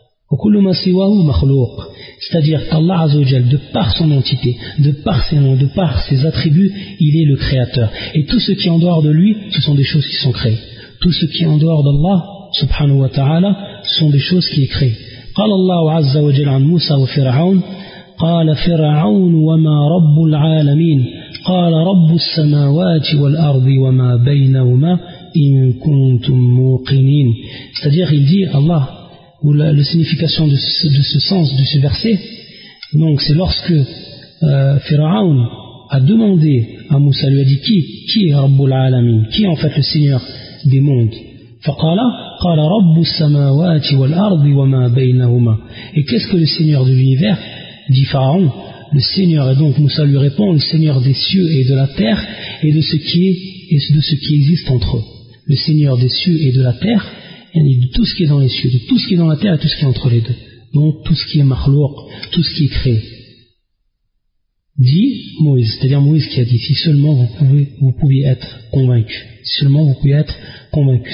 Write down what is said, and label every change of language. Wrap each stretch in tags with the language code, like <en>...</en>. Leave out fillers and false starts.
<ar>Wa kulluma siwahu makhluq.</ar> <fr>C'est-à-dire qu'Allah azawajal, de par son entité, de par ses noms, de par ses attributs, il est le créateur. Et tout ce qui est en dehors de lui, ce sont des choses qui sont créées. Tout ce qui est en dehors d'Allah subhanahu wa ta'ala, ce sont des choses qui est créées.</fr> <ar>Qala Allahu azawajal an Musa wa Fir'aoun. قال فرعون وما رب العالمين قال رب السماوات والأرض وما بينهما إن كنتم موقنين.</ar> <fr>C'est-à-dire il dit Allah, ou la signification de ce sens de ce verset, donc c'est lorsque Pharaon a demandé à Moussa, lui a dit qui est رب العالمين, qui est en fait le Seigneur des mondes.</fr> <ar>فقال رب السماوات والأرض وما بينهما.</ar> <fr>Et qu'est-ce que le Seigneur de l'univers, dit Pharaon, le Seigneur. Et donc Moussa lui répond, le Seigneur des cieux et de la terre et de ce qui est et de ce qui existe entre eux. Le Seigneur des cieux et de la terre, et de tout ce qui est dans les cieux, de tout ce qui est dans la terre et tout ce qui est entre les deux. Donc tout ce qui est makhlouq, tout ce qui est créé. Dit Moïse, c'est-à-dire Moïse qui a dit, si seulement vous pouviez être convaincu, si seulement vous pouviez être convaincu.</fr>